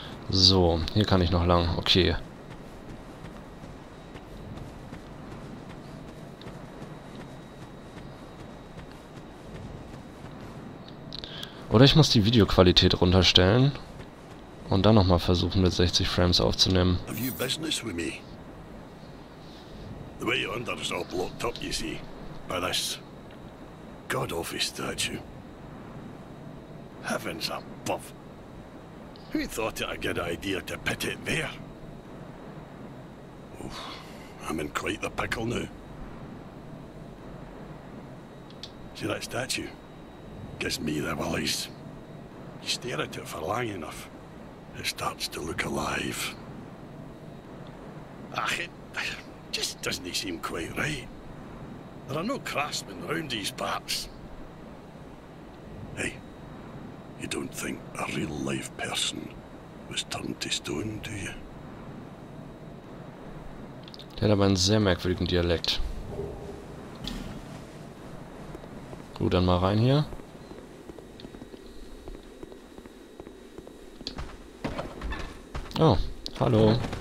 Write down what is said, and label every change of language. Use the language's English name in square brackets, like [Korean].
[German] So, hier kann ich noch lang. Okay. Oder ich muss die Videoqualität runterstellen und dann nochmal versuchen, mit 60 Frames aufzunehmen. [English] Have you business with me? The way you're under is all blocked up, you see. By this. God awful statue. Heavens above. Who thought it a good idea to put it there? Oof, I'm in quite the pickle now. See that statue? Gives me the willies. You stare at it for long enough, it starts to look alive. Ach, it just doesn't seem quite right. There are no craftsmen around these parts. Hey, you don't think a real-life person was turned to stone, do you? [German] Der hat aber einen sehr merkwürdigen Dialekt. Gut, dann mal rein hier. Oh, hallo.